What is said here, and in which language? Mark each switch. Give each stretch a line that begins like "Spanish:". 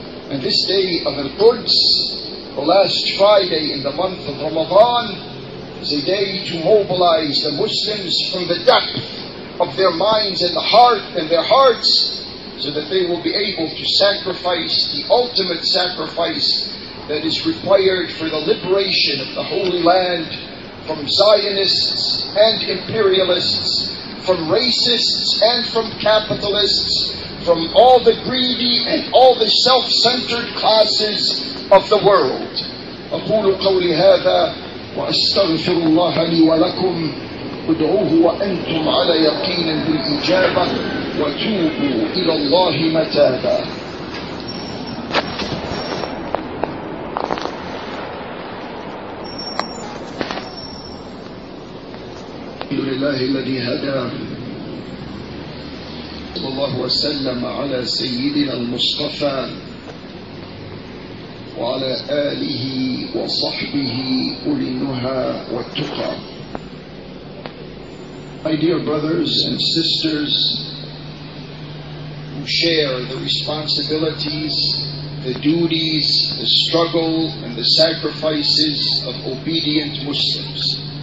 English: And this day of Al-Quds, the last Friday in the month of Ramadan, is a day to mobilize the Muslims from the depth of their minds and the heart and their hearts, so that they will be able to sacrifice the ultimate sacrifice that is required for the liberation of the Holy Land from Zionists and imperialists, from racists and from capitalists, from all the greedy and all the self-centered classes of the world.
Arabic: أقول قولي هذا وأستغفر الله لي ولكم ادعوه وأنتم على يقين بالإجابة وتوبوا إلى الله متابا. الحمد لله الذي هدى صلى الله وسلم على سيدنا المصطفى وعلى آله وصحبه أولي النهى والتقى.
English: My dear brothers and sisters who share the responsibilities, the duties, the struggle, and the sacrifices of obedient Muslims.